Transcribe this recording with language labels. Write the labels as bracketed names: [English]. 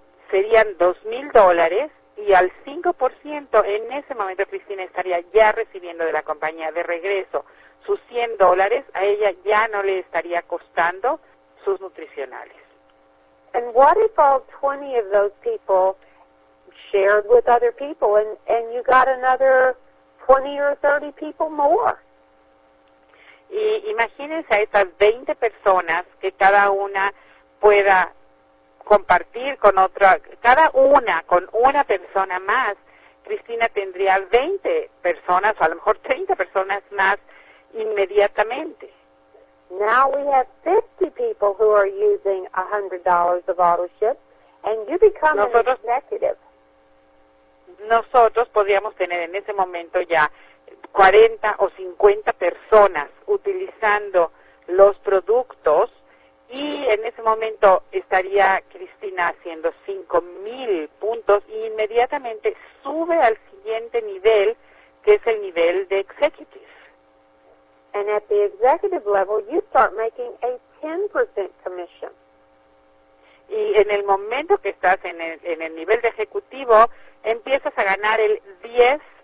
[Spanish] serían $2,000, y al 5% en ese momento Cristina estaría ya recibiendo de la compañía de regreso sus $100, a ella ya no le estaría costando sus nutricionales. [English] And what if all 20 of those people shared with other people and you got another 20 or 30 people more? [Spanish] Y imagínense a estas 20 personas que cada una pueda compartir con otra, cada una con una persona más, Cristina tendría 20 personas o a lo mejor 30 personas más inmediatamente. [English] Now we have 50 people who are using $100 of AutoShip, and you become [Spanish] nosotros, [English] an executive. [Spanish] Nosotros podríamos tener en ese momento ya 40 o 50 personas utilizando los productos, y en ese momento estaría Cristina haciendo 5,000 puntos y inmediatamente sube al siguiente nivel, que es el nivel de executive. [English] And at the executive level, you start making a 10% commission. [Spanish] Y en el momento que estás en el nivel de ejecutivo, empiezas a ganar el 10%.